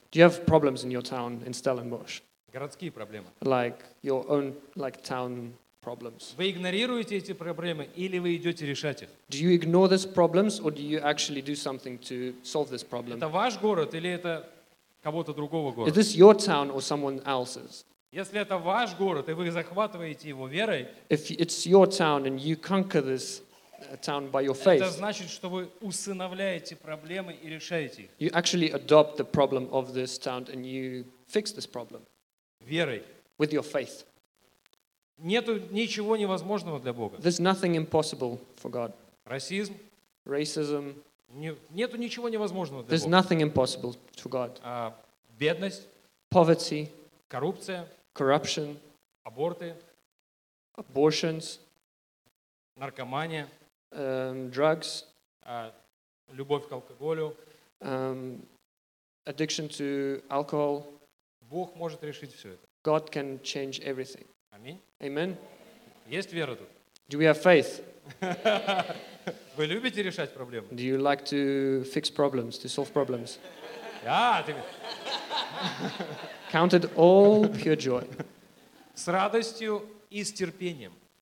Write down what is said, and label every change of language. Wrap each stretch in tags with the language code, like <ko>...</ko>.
<en>Do you have problems in your town in Stellenbosch?</en> <ru>Городские проблемы.</ru> <en>Like your own like town problems.</en> <ru>Вы игнорируете эти проблемы или вы идете решать их?</ru> <en>Do you ignore these problems or do you actually do something to solve this problem?</en> <ru>Это ваш город или это кого-то другого города?</ru> <en>Is this your town or someone else's?</en> <ru>Если это ваш город и вы захватываете его верой,</ru> <en>if it's your town and you conquer this town by your faith,</en> <ru>это значит, что вы усыновляете проблемы и решаете их.</ru> <en>You actually adopt the problem of this town and you fix this problem.</en> <ru>Верой.</ru> <en>With your faith.</en> <ru>Нету ничего невозможного для Бога.</ru> <en>There's nothing impossible for God.</en> <ru>Расизм.</ru> <en>Racism.</en> <ru>Нету ничего невозможного для Бога.</ru> <en>There's nothing impossible to God.</en> <ru>Бедность.</ru> <en>Poverty.</en> <ru>Коррупция.</ru> <en>Corruption.</en> <ru>Аборты.</ru> <en>Abortions.</en> <ru>Наркомания.</ru> <en>Drugs.</en> <ru>Любовь к алкоголю.</ru> <en>Addiction to alcohol.</en> <ru>Бог может решить все это.</ru> <en>God can change everything. Amen.</en> <ru>Есть вера тут?</ru> <en>Do we have faith?</en> <ru>Вы любите решать проблемы?</ru> <en>Do you like to fix problems, to solve problems? Count it all pure joy.</en> <ru>С радостью и с терпением.</ru>